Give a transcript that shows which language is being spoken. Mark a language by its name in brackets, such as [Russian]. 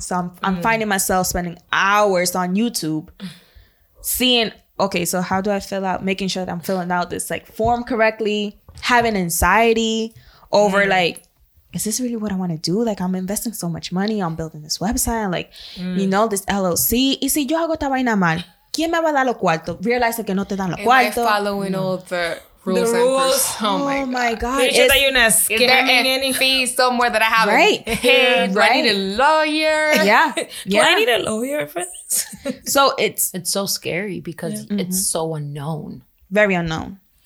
[English] So I'm finding myself spending hours on YouTube seeing, okay, so how do I fill out, making sure that I'm filling out this like form correctly, having anxiety over like, is this really what I want to do? Like, I'm investing so much money on building this website. I'm like, you know, this LLC. [Spanish] Y si yo hago esta vaina mal, ¿quién me va a dar los cuartos? Realizing que no te dan los cuartos. [English] Am I following all the rules? The rules. Oh my God. Is there a fee somewhere that I have? Right. Right. Do I need a lawyer? Yeah. Do I need a lawyer for this? So it's so scary because it's so unknown. Very unknown.